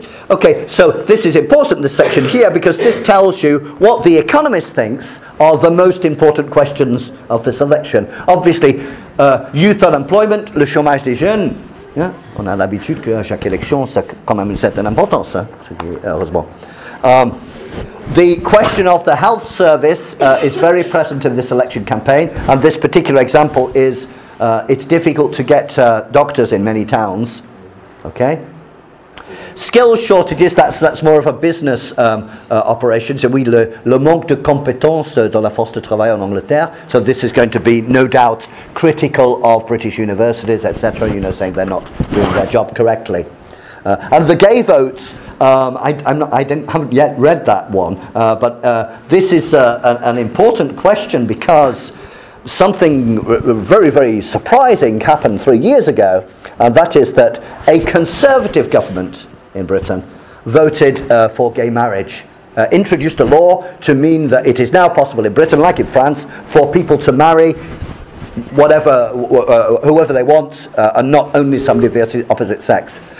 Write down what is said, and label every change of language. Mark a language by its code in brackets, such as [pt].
[en] Okay, so this is important, this section here, because this tells you what the economist thinks are the most important questions of this election. Obviously, youth unemployment, [fr] le chômage des jeunes. Yeah, on a l'habitude que chaque élection, ça a quand même une certaine importance, hein, heureusement. [en] The question of the health service is very present in this election campaign, and this particular example is it's difficult to get doctors in many towns. Okay. Skills shortages, that's more of a business operation. [fr] So oui, le manque de compétences dans la force de travail en Angleterre. [en] So this is going to be, no doubt, critical of British universities, etc., you know, saying they're not doing their job correctly. And the gay votes, I haven't yet read that one, but this is an important question because something very, very surprising happened 3 years ago, and that is that a Conservative government in Britain voted for gay marriage, introduced a law to mean that it is now possible in Britain, like in France, for people to marry whatever, whoever they want, and not only somebody of the opposite sex.